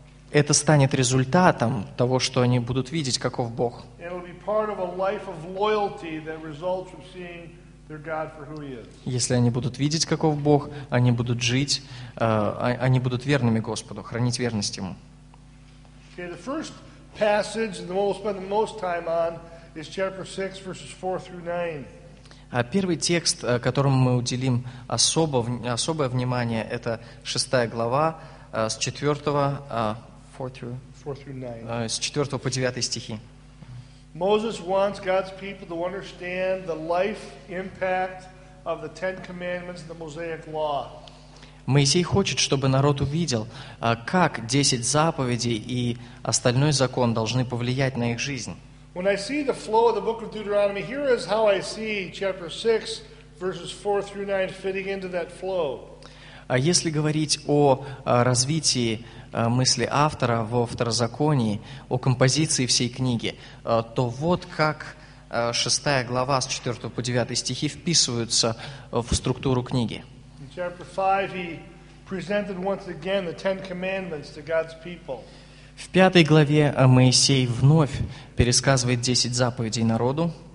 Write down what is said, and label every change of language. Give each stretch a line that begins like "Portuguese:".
Russian: Это станет результатом того, что они будут видеть, каков Бог.
English: And it'll be part of a life of loyalty that results from seeing their God for who He is.
Russian: Если они будут видеть, каков Бог, они будут жить, они будут верными Господу, хранить верность Ему.
English: Okay, the first passage, the one we'll spend the most time on, is chapter 6, verses 4 through 9.
Russian: Первый текст, которому мы уделим особое внимание, это 6 глава, с 4 по 9 стихи.
English: Moses wants God's people to understand the life impact of the Ten Commandments and the Mosaic Law.
Russian: Моисей хочет, чтобы народ увидел, как 10 заповедей и остальной закон должны повлиять на их жизнь.
English: When I see the flow of the book of Deuteronomy, here is how I see chapter 6, verses 4 through 9 fitting into that flow.
Russian: Если говорить о развитии мысли автора во Второзаконии, о композиции всей книги, то вот как 6 глава с 4 по 9 стихи вписываются в структуру книги.
English: In chapter 5, he presented once again the Ten Commandments to God's people.
Russian: В пятой главе Моисей вновь пересказывает 10 заповедей народу.